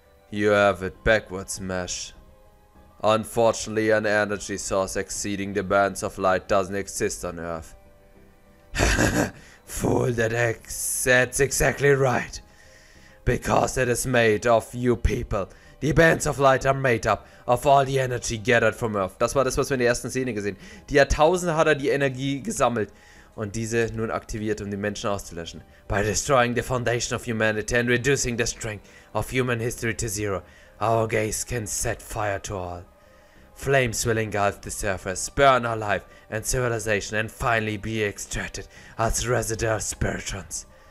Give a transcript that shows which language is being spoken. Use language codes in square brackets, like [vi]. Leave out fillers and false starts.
[en] You have it backwards, Mesh. Unfortunately, an energy source exceeding the bands of light doesn't exist on Earth. Fool, that's exactly right. Because it is made of you people. The bands of light are made up of all the energy gathered from Earth. [de] Das war das, was wir in der ersten Szene gesehen. Die Jahrtausende hat er die Energie gesammelt und diese nun aktiviert, um die Menschen auszulöschen. [en] By destroying the foundation of humanity and reducing the strength of human history to zero, our gaze can set fire to all. Flames will engulf the surface, burn our life and civilization, and finally be extracted as residual spiritrons.